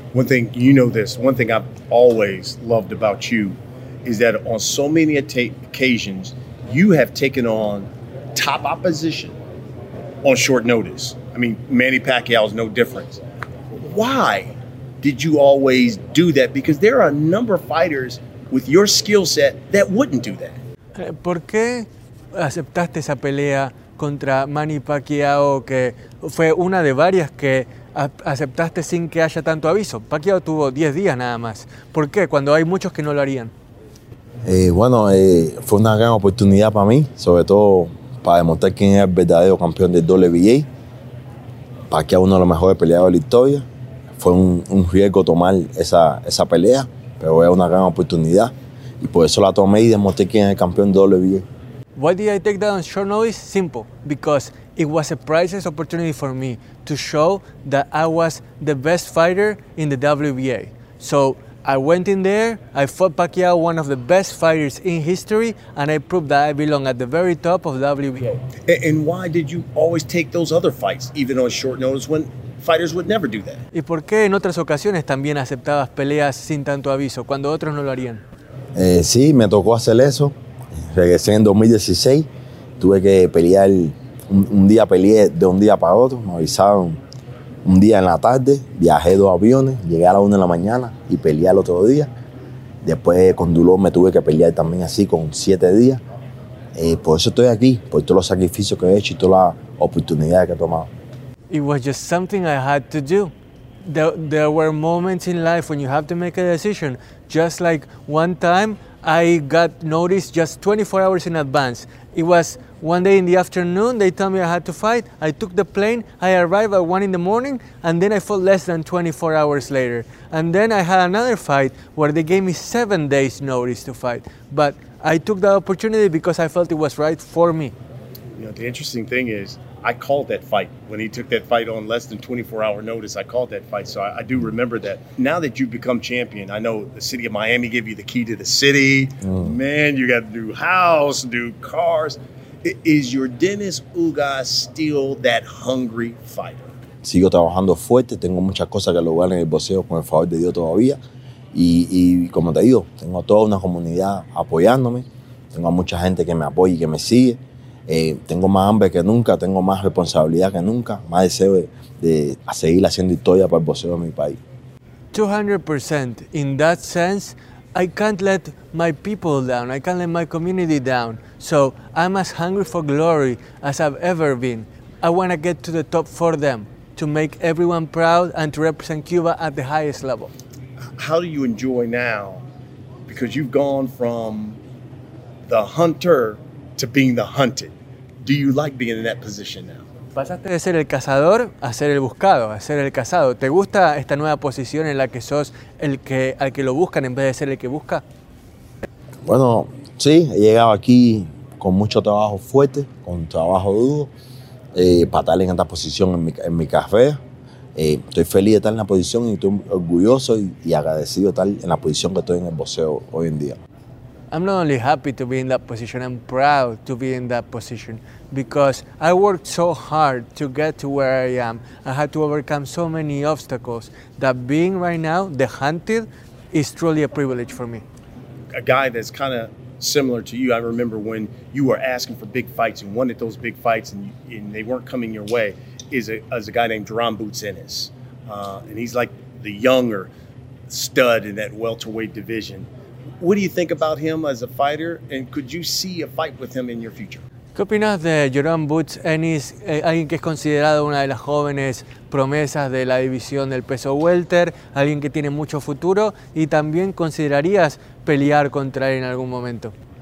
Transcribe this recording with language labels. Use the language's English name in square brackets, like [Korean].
[English] One thing, you know this, one thing I've always loved about you is that on so many occasions, you have taken on top opposition on short notice. I mean, Manny Pacquiao is no different. Why did you always do that? Because there are a number of fighters with your skill set that wouldn't do that. [Spanish] ¿Por qué aceptaste esa pelea contra Manny Pacquiao, que fue una de varias que aceptaste sin que haya tanto aviso? Pacquiao tuvo 10 días nada más. ¿Por qué? Cuando hay muchos que no lo harían. Fue una gran oportunidad para mí, sobre todo para demostrar quién es el verdadero campeón del WBA. Pacquiao, uno de los mejores peleadores de la historia. Fue un riesgo tomar esa pelea, pero era una gran oportunidad. Y por eso la tomé y demostré quién es el campeón del WBA. Why did I take that on short notice? Simple, because it was a priceless opportunity for me to show that I was the best fighter in the WBA. So I went in there, I fought Pacquiao, one of the best fighters in history, and I proved that I belong at the very top of WBA. And why did you always take those other fights, even on short notice, when fighters would never do that? ¿Y por qué en otras ocasiones también aceptabas peleas sin tanto aviso, cuando otros no lo harían? Sí, me tocó hacer eso. Regresé en 2016, tuve que pelear, un día peleé de un día para otro, me avisaron un día en la tarde, viajé dos aviones, llegué a la 1 a.m. y peleé al otro día. Después con dolor me tuve que pelear también así con 7 días. Por eso estoy aquí, por todos los sacrificios que he hecho y todas las oportunidades que he tomado. [English] It was just something I had to do. There were moments in life when you have to make a decision, just like one time I got noticed just 24 hours in advance. It was one day in the afternoon, they told me I had to fight. I took the plane, I arrived at 1 a.m, and then I fought less than 24 hours later. And then I had another fight where they gave me 7 days notice to fight. But I took that opportunity because I felt it was right for me. You know, the interesting thing is, I called that fight. When he took that fight on less than 24 hour notice, I called that fight. So I do remember that. Now that you've become champion, I know the city of Miami gave you the key to the city. Mm. Man, you got a new house, new cars. Is your Yordenis Ugás still that hungry fighter? [Spanish] Sigo trabajando fuerte. Tengo muchas cosas que lograr en el boxeo con el favor de Dios todavía. Y como te digo, tengo toda una comunidad apoyándome. Tengo a mucha gente que me apoya y que me sigue. Tengo más hambre que nunca, tengo más responsabilidad que nunca, más deseo de seguir haciendo historia para el boxeo de mi país. 200%. [English] In that sense, I can't let my people down, I can't let my community down. So I'm as hungry for glory as I've ever been. I want to get to the top for them, to make everyone proud and to represent Cuba at the highest level. How do you enjoy now? Because you've gone from the hunter to being the hunted. Do you like being in that position now? [Spanish] Pasaste de ser el cazador a ser el buscado, a ser el cazado. ¿Te gusta esta nueva posición en la que sos el que al que lo buscan en vez de ser el que busca? Bueno, sí, he llegado aquí con mucho trabajo fuerte, con trabajo duro, para estar en esta posición en mi café. Estoy feliz de estar en la posición y estoy orgulloso y agradecido de estar en la posición que estoy en el boxeo hoy en día. [English] I'm not only happy to be in that position, I'm proud to be in that position because I worked so hard to get to where I am. I had to overcome so many obstacles that being right now the hunted is truly a privilege for me. A guy that's kind of similar to you, I remember when you were asking for big fights and wanted those big fights and they weren't coming your way, is a guy named Jerome Boutsenis. And he's like the younger stud in that welterweight division. What do you think about him as a fighter, and could you see a fight with him in your future? [Spanish] ¿Qué opinas de Jerome Boots Ennis, alguien que es considerado una de las jóvenes promesas de la división del peso welter, alguien que tiene mucho futuro y también considerarías pelear contra él en algún momento?